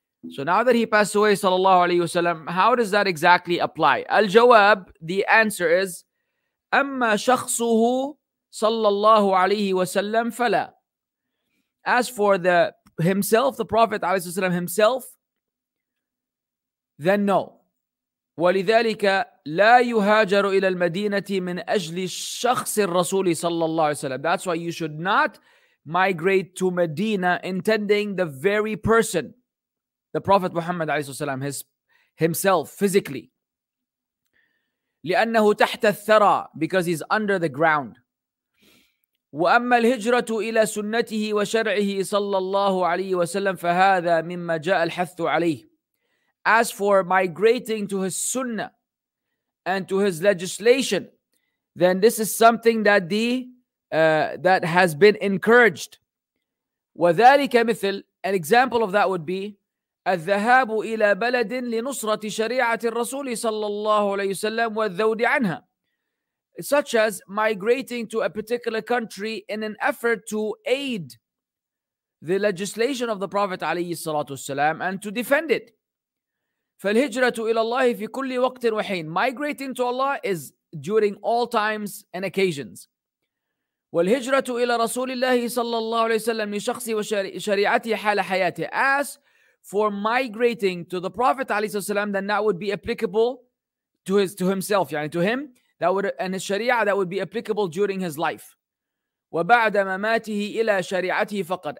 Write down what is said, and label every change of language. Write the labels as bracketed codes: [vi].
[en] So now that he passed away [ar] sallallahu alayhi wa sallam, [en] how does that exactly apply? [ar] Al-jawab, [en] the answer is, [ar] أَمَّا شَخْصُهُ sallallahu alayhi wa sallam فَلَا. [en] As for himself, the Prophet alayhi wa sallam himself, then no. [ar] ولذلك لا يهاجر إلى المدينة من أجل شخص الرسول صلى الله عليه وسلم. [en] That's why you should not migrate to Medina intending the very person, the Prophet Muhammad [ar] عليه الصلاة والسلام, [en] himself physically. [ar] لأنه تحت الثرى, [en] because he's under the ground. [ar] وأما الهجرة إلى سنته وشرعه صلى الله عليه وسلم فهذا مما جاء الحث عليه. [en] As for migrating to his sunnah and to his legislation, then this is something that that has been encouraged. [ar] وَذَلِكَ مِثْل, [en] an example of that would be, [ar] الذهاب إلى بلد لنصرة شريعة الرسول صلى الله عليه وسلم والذود عنها, [en] such as migrating to a particular country in an effort to aid the legislation of the Prophet [ar] عليه الصلاة والسلام [en] and to defend it. [ar] فالهجرة إلى الله في كل وقت وحين. [en] Migrating to Allah is during all times and occasions. [ar] والهجرة إلى رسول الله صلى الله عليه وسلم لشخصه وشريعته حال حياته. [en] As for migrating to the Prophet [ar] عليه الصلاة والسلام, [en] then that would be applicable to himself, يعني to him, and his sharia, that would be applicable during his life. [ar] وبعد مماته إلى شريعته فقط.